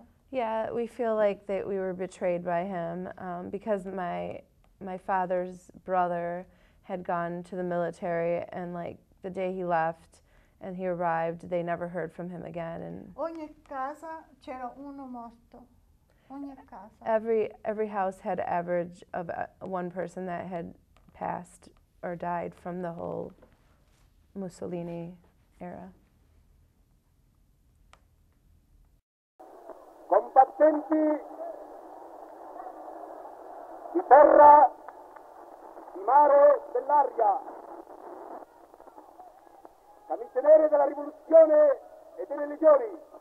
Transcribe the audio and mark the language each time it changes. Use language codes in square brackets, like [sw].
[en] Yeah, we feel like that we were betrayed by him because my father's brother had gone to the military, and like the day he left and he arrived, they never heard from him again. And [it] ogni casa c'era uno morto. [en] Every house had average of one person that had passed or died from the whole Mussolini era. [it] Combattenti di terra, di mare, dell'aria, camicie nere della rivoluzione e delle legioni.